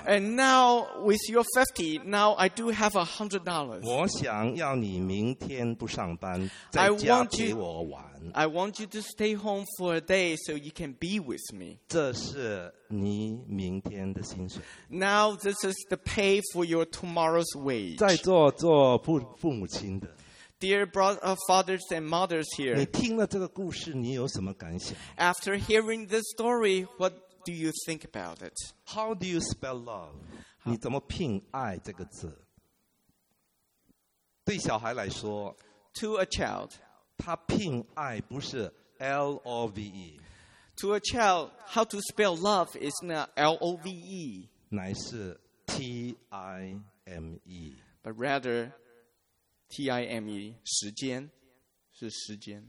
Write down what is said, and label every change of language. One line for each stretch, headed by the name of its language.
English: And now, with your 50, now I do have $100.
Chinese: 我想要你明天不上班，在家陪我玩。
English: I want you to stay home for a day so you can be with me.
Chinese: 这是你明天的薪水。
English: Now, this is the pay for your tomorrow's wage.
Chinese: 在座做父母亲的。
English: Dear fathers and mothers here,
Chinese: 你听了这个故事，你有什么感想?
English: After hearing this story, what do you think about it? How do you spell love?
Chinese: 你怎么拼爱这个字? 对小孩来说,
English: To a child,
Chinese: 他拼爱不是 L-O-V-E.
English: To a child, how to spell love is not L-O-V-E.
Chinese: 乃是 T-I-M-E.
English: But rather,T-I-M-E,
Chinese: 时间是时间。